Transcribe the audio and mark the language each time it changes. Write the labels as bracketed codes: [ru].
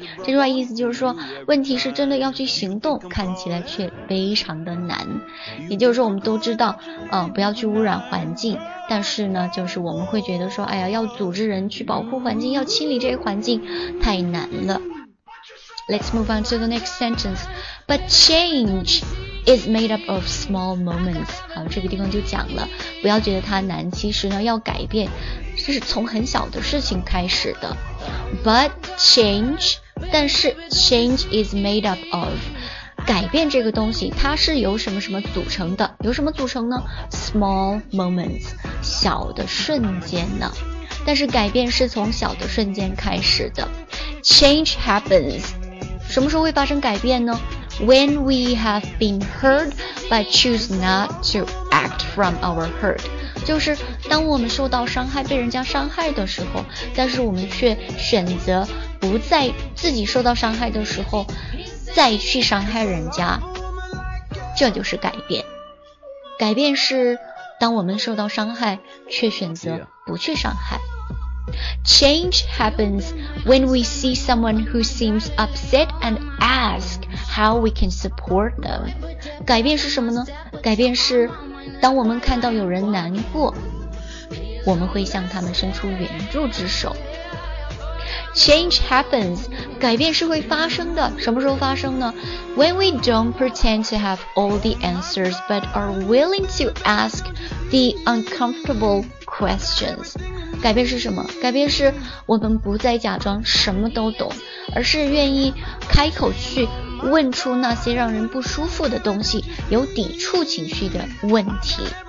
[zh] 这句话意思就是说，问题是真的要去行动看起来却非常的难，也就是说我们都知道不要去污染环境，但是呢就是我们会觉得说哎呀，要组织人去保护环境，要清理这个环境太难了。 [en] Let's move on to the next sentence. But change is made up of small moments. [zh] 好，这个地方就讲了，不要觉得它难，其实呢要改变就是从很小的事情开始的。 [en] But change， [zh] 但是 [en] change is made up of， [zh] 改变这个东西它是由什么什么组成的，由什么组成呢？ [en] Small moments， [zh] 小的瞬间呢，但是改变是从小的瞬间开始的。 [en] Change happens， [zh] 什么时候会发生改变呢？ [en] When we have been hurt but choose not to act from our hurt， [zh] 就是当我们受到伤害，被人家伤害的时候，但是我们却选择不在自己受到伤害的时候再去伤害人家，这就是改变。改变是当我们受到伤害却选择不去伤害。 [en] Change happens when we see someone who seems upset and ask how we can support them. [zh] 改变是什么呢？改变是当我们看到有人难过，我们会向他们伸出援助之手。 [en] Change happens， [zh] 改变是会发生的，什么时候发生呢？ [en] When we don't pretend to have all the answers but are willing to ask the uncomfortable questions。 [zh] 改变是什么？改变是我们不再假装什么都懂，而是愿意开口去问出那些让人不舒服的东西，有抵触情绪的问题。